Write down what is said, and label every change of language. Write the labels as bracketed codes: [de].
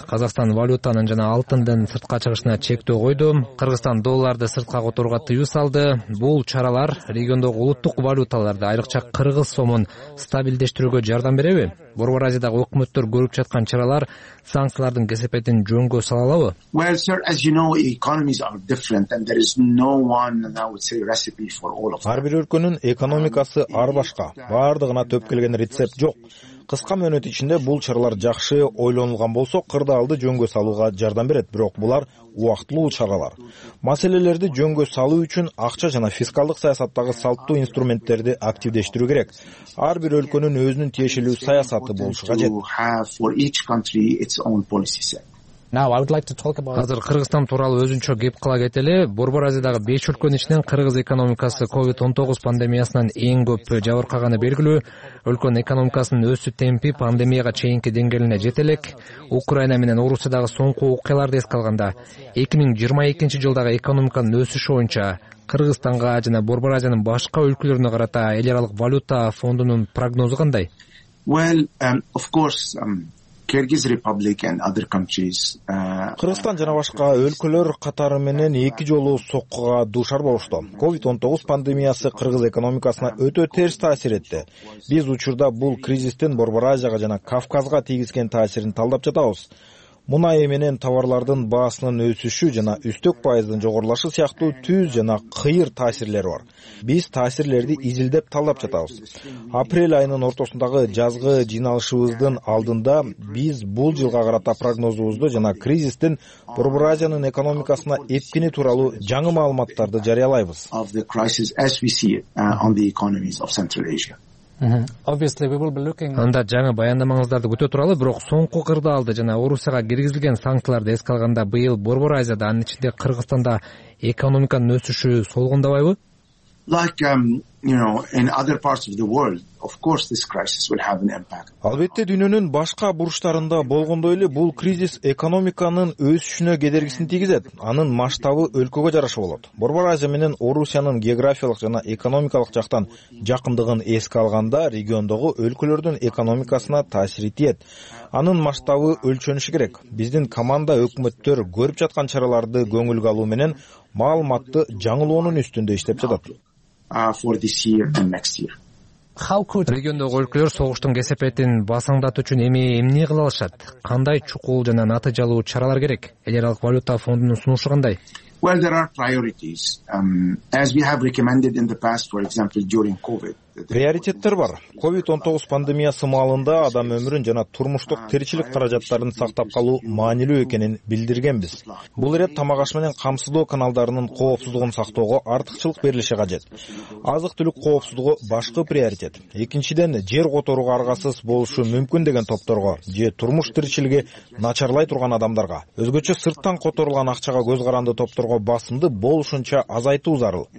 [ky] Казакстан валютанын жана алтындын сыртка чыгышына чектөө койду. Кыргызстан долларды сыртка которууга тыюу салды. Бул чаралар региондогу улуттук валюталарды, айрыкча кыргыз сомун стабилдештирүүгө жардам береби? Борборазиядагы өкмөттөр көрүп жаткан чаралар санкциялардын кесепетин жөнгө сала алабы? [en] Well, sir, as you know, economies are different and there is no one, and I would say, recipe for all of them. [ky] Ар бир өлкөнүн экономикасы ар башка. Баардыгына төп келген рецепт жок. Кыска мөөнөт ичинде бул чаралар жакшы ойлонулган болсо, кырдаалды жөнгө салууга жардам берет, бирок булар убактылуу чаралар. Маселелерди жөнгө салуу үчүн акча жана фискалдык саясаттагы салттуу инструменттерди активдештирүү керек. Ар бир өлкөнүн өзүнүн тиешелүү саясаты болушу кажет. Азыр Кыргызстан тууралуу өзүнчө кеп кыла кетели. Борборазиядагы 5 өлкөнүн ичинен кыргыз экономикасы COVID-19 пандемиясынан эң көп жабыркаганы белгилүү. Өлкөнүн экономикасынын өсүү темпи пандемияга чейинки деңгээлине жете элек. Украина менен Орусиядагы соңку окуяларды эске алганда 2022 жылдагы экономиканын өсүшү боюнча Кыргызстанга жана Борборазиянын башка өлкөлөрүнө карата эл аралык валюта фондунун прогнозу кандай? [en] Kyrgyz Republic and other countries. [ky] Кыргызстан жана башка өлкөлөр катары менен эки жолу соккуга дуушар болушту. COVID-19 пандемиясы кыргыз экономикасына өтө терс таасир этти. Биз учурда бул кризистин Борборазияга жана Кавказга тийгизген таасирин талдап жатабыз. Мунай менен товарлардын баасынын өсүшү жана үстөк пайыздын жогорулашы сыяктуу түз жана кыйыр таасирлери бар. Биз таасирлерди изилдеп талдап жатабыз. Апрель айынын ортосундагы жазгы жыйналышыбыздын алдында биз бул жылга карата прогнозубузду жана кризистин Борборазиянын экономикасына эпкини тууралуу жаңы маалыматтарды жарыялайбыз. Анда жаңы баяндамаңыздарды күтө туралы, бирок соңку кырдаалды жана Орусияга киргизилген санкцияларды эске алганда быйыл Борборазияда, анын ичинде Кыргызстанда экономиканын өсүшү солгондобойбу? [en] In other parts of the world, of course this crisis will have an impact. [ky] Албетте, дүйнөнүн башка бурчтарында болгондой эле бул кризис экономиканын өсүшүнө кедергисин тийгизет. Анын масштабы өлкөгө жараша болот. Борборазия менен Орусиянын географиялык жана экономикалык жактан жакындыгын эске алганда, региондогу өлкөлөрдүн экономикасына таасири тиет. Анын масштабы өлчөнүшү керек. Биздин команда өкмөттөр көрүп жаткан чараларды көңүлгө алуу менен маалыматты жаңылоонун үстүндө иштеп жатат. [en] For this year and next year. [ky] Региондогу өлкөлөр согуштун кесепетин басаңдатуу үчүн эмне кыла алышат? Кандай чукул жана натыйжалуу чаралар керек? Эл аралык валюта фондунун сунушу кандай? [en] Well, there are priorities. As we have recommended in the past, for example, during COVID. [ky] Приоритеттер бар. COVID-19 пандемиясы маалында адам өмүрүн жана турмуштук тиричилик каражаттарын сактап калуу маанилүү экенин билдиргенбиз. Бул ирет тамак аш менен камсыздоо каналдарынын коопсуздугун сактоого артыкчылык берилиши кажет. Азык-түлүк коопсуздугу башкы приоритет. Экинчиден, жер которууга аргасыз болушу мүмкүн деген топторго же турмуш тиричилиги начарлай турган адамдарга, өзгөчө сырттан которулган акчага көз каранды топторго басымды болушунча азайтуу зарыл.